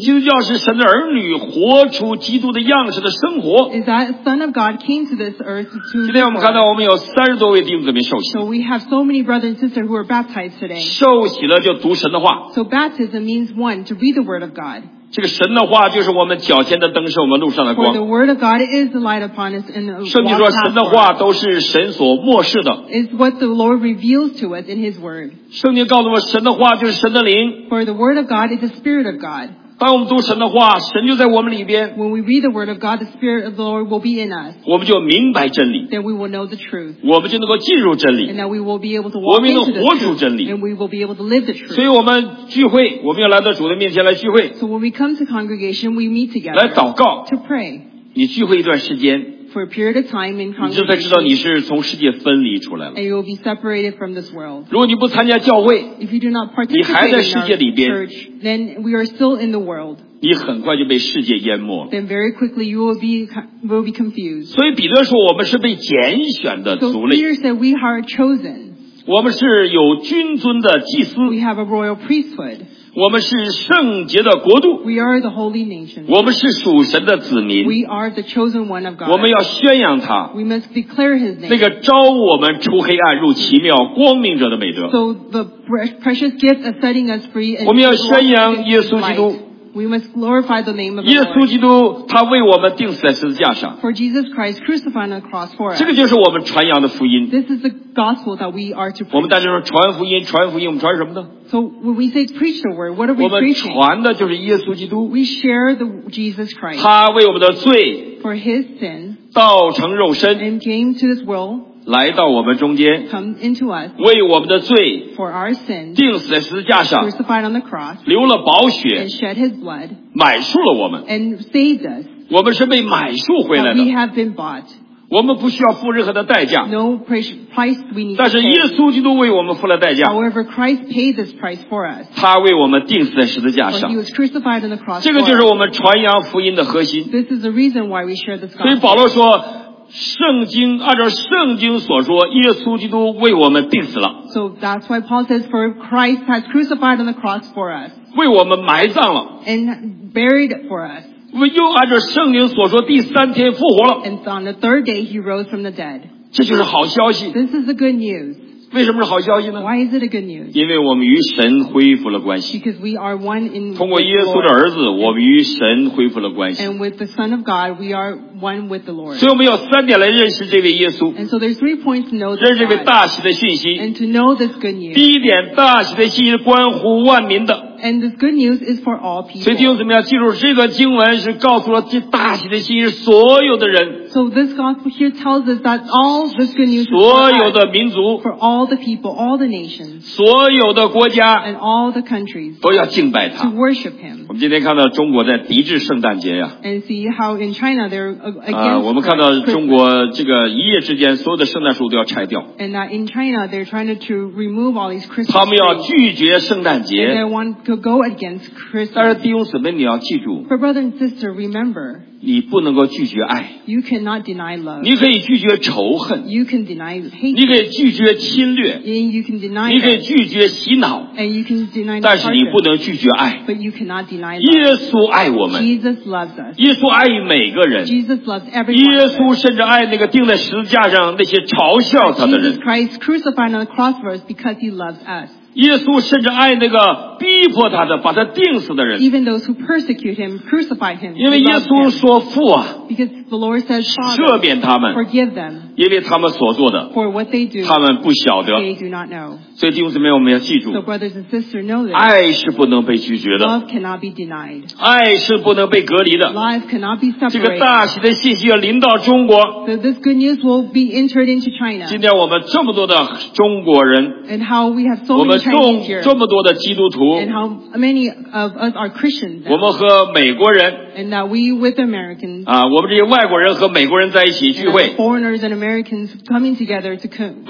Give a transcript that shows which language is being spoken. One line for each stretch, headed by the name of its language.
Chinese: 基督教是神的儿女活出基督的样式的生活
English: Is that son of God came to this earth to
Chinese: 今天我们看到我们有三十多位弟兄姊妹受洗
English: So we have so many brothers and sisters who are baptized today.
Chinese: 受洗了就读神的话
English: So baptism means one, to read the word of God.
Chinese: 这个神的话就是我们脚前的灯，是我们路上的光。
English: For the word of God is the light upon us in the walk.
Chinese: 圣经说神的话都是神所默示的。
English: Is what the Lord reveals to us in His word.
Chinese: 圣经告诉我们，神的话就是神的灵。
English: For the word of God is the spirit of God.
Chinese: 当我们读神的话，神就在我们里边。
English: When we read the word of God, the spirit of the Lord will be in us.
Chinese: 我们就明白真理。
English: Then we will know the truth.
Chinese: 我们就能够进入真理。
English: And that we will be able to walk into the truth.
Chinese: 我们能活出真理。
English: And we will be able to live the truth.
Chinese: 所以我们聚会，我们要来到主的面前来聚会。
English: So when we come to congregation, we meet together.
Chinese: 来祷告。
English: To pray.
Chinese: 你聚会一段时间。
English: For a period of time in congregation.
Chinese: 你就才知道你是从世界分离出来了。
English: And you will be separated from this world.
Chinese: 如果你不参加教会。
English: If you do not participate in the church, then we are still in the world.
Chinese: 你很快就被世界淹没。
English: Then very quickly you will be confused.
Chinese: 所以彼得说我们是被拣选的族类。
English: So Peter said we are chosen.
Chinese: 我们是有君尊的祭司。
English: We have a royal priesthood.
Chinese: 我们是圣洁的国度
English: We are the holy nation.
Chinese: 我们是属神的子民
English: We are the chosen one of God.
Chinese: 我们要宣扬他
English: We must declare his name.
Chinese: 那个招我们出黑暗入奇妙光明者的美德
English: So the precious gift of setting us free
Chinese: 我们要宣扬耶稣基督
English: We must glorify the name of God.
Chinese: 耶稣基督他为我们钉死在十字架上
English: For Jesus Christ crucified on the cross for us.
Chinese: 这个就是我们传扬的福音
English: This is the gospel that we are to preach.
Chinese: 我们大家说传福音传福音我们传什么呢
English: So when we say preach the word, what are we preaching?
Chinese: 我们传的就是耶稣基督
English: We share the Jesus Christ.
Chinese: 他为我们的罪
English: For his sin.
Chinese: 道成肉身
English: And came to this world.
Chinese: 来到我们中间
English: Come into us,
Chinese: 为我们的罪
English: for our sins,
Chinese: 钉死在十字架上
English: crucified on the cross,
Chinese: 流了宝血
English: and shed his blood,
Chinese: 买赎了我们
English: and saved us,
Chinese: 我们是被买赎回来的
English: we have been bought,
Chinese: 我们不需要付任何的代价
English: no price we need
Chinese: 但是耶稣基督为我们付了代价
English: However, Christ paid this price for us,
Chinese: 他为我们钉死在十字架上
English: he was crucified on the cross
Chinese: 这个就是我们传扬福音的核心
English: this is the reason why we share this gospel.
Chinese: 所以保罗说圣经按照圣经所说，耶稣基督为我们钉死了。
English: So that's why Paul says, "For Christ has crucified on the cross for us."
Chinese: 为我们埋葬了。
English: And buried for us.
Chinese: 又按照圣经所说，第三天复活了。
English: And on the third day he rose from the dead.
Chinese: 这就是好消息。
English: This is the good news.
Chinese: 为什么是好消息呢
English: ？Why is it a good news?
Chinese: 因为我们与神恢复了关系。
English: Because we are one in.
Chinese: 通过耶稣的儿子，我们与神恢复了关系。
English: And with the Son of God, we are. One with the Lord.
Chinese: 所以我们有三点来认识这位耶稣
English: And so there's three points to know this
Chinese: 认识这位大喜的信息
English: And to know this good news
Chinese: 第一点大喜的信息是关乎万民的
English: And this good news is for all people
Chinese: 所以弟兄姊妹要记住这段经文是告诉了这大喜的信息所有的人
English: So this gospel here tells us that all this good news is for all the people, all the nations,
Chinese: 所有的国家,
English: and all the countries to worship him. And see how in China they're against Christmas. And that in China they're trying to remove all these Christmas.
Chinese: 他们要拒绝圣诞节,
English: and they want to go against Christmas.
Chinese: 但是弟兄姊妹, 你要记住,
English: but brother and sister, remember.
Chinese: 你不能够拒绝爱,
English: you cannot deny love.
Chinese: 你可以拒绝仇恨,
English: you can deny hate.
Chinese: 你可以拒绝侵略,
English: and you can deny.
Chinese: 你可以拒绝洗脑,
English: and you can deny.
Chinese: 但是你不能拒绝爱,
English: but you cannot deny love.
Chinese: 耶稣爱我们,
English: Jesus loves us.
Chinese: 耶稣爱每个人,
English: Jesus loves everyone.
Chinese: 耶稣甚至爱那个钉在十字架上那些嘲笑他的人,
English: Jesus Christ crucified on the cross for us because he loves us.
Chinese: 耶稣甚至爱那个逼迫他的把他钉死的人,
English: even those who persecute him, crucify him.
Chinese: 因为耶稣说父啊,
English: because the Lord says Father,
Chinese: 赦免他们,
English: forgive them,
Chinese: 因为他们所做的,
English: for what they do,
Chinese: 他们不晓得,
English: they do not know.
Chinese: 所以弟兄姊妹, 我们要记住,
English: so brothers and sisters know this,
Chinese: 爱是不能被拒绝的,
English: love cannot be denied,
Chinese: 爱是不能被隔离的,
English: life cannot be separated.
Chinese: 这个大喜的信息要临到中国,
English: so this good news will be entered into China.
Chinese: 今天我们这么多的中国人,
English: and how we have so many,
Chinese: 这么多的基督徒,
English: and how many of us are Christians,
Chinese: 我们和美国人,
English: and that we with Americans,
Chinese: 啊, 我们这些外国人和美国人在一起聚会,
English: and foreigners and Americans coming together to congregate.